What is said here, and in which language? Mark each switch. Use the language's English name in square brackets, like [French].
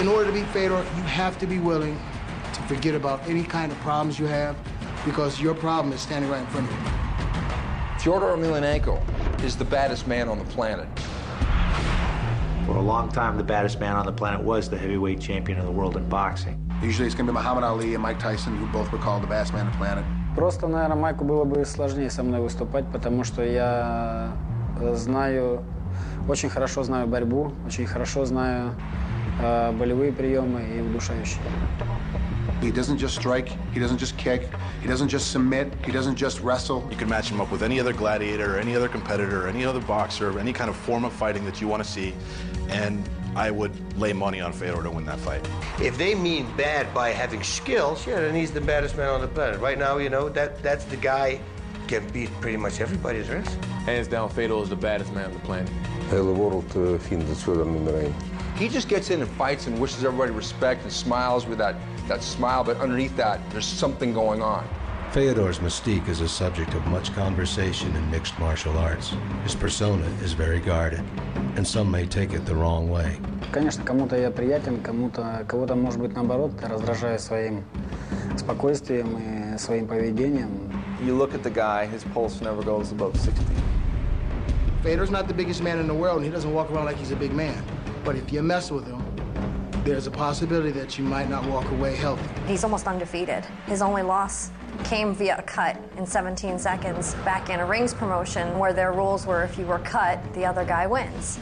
[English] In order to beat Fedor, you have to be willing to forget about any kind of problems you have, because your problem is standing right in front of you. Fedor Emelianenko is the baddest man on the planet. For a long time, the baddest man on the planet was the heavyweight champion of the world in boxing. Usually it's going to be Muhammad Ali and Mike Tyson, who both were called the baddest man on the planet. [Russian] Просто, наверное, Майку было бы сложнее со мной выступать, потому что я знаю, очень хорошо знаю борьбу, очень хорошо знаю болевые приемы и удушающие. [English] He doesn't just strike, he doesn't just kick, he doesn't just submit, he doesn't just wrestle. You can match him up with any other gladiator, or any other competitor, or any other boxer, or any kind of form of fighting that you want to see, and I would lay money on Fedor to win that fight. If they mean bad by having skills, yeah, then he's the baddest man on the planet. Right now, you know, that's the guy can beat pretty much everybody, isn't it? Hands down, Fedor is the baddest man on the planet. Hell of a world to find the sword in the ring. He just gets in and fights and wishes everybody respect and smiles with that smile, but underneath that, there's something going on. Fedor's mystique is a subject of much conversation in mixed martial arts. His persona is very guarded, and some may take it the wrong way. [Russian] Конечно, кому-то я приятен, кого-то, может быть, наоборот, раздражаю своим спокойствием и своим поведением. [English] You look at the guy, his pulse never goes above 60. Fedor's not the biggest man in the world, and he doesn't walk around like he's a big man. But if you mess with him, there's a possibility that you might not walk away healthy. He's almost undefeated. His only loss came via a cut in 17 seconds back in a rings promotion where their rules were if you were cut, the other guy wins.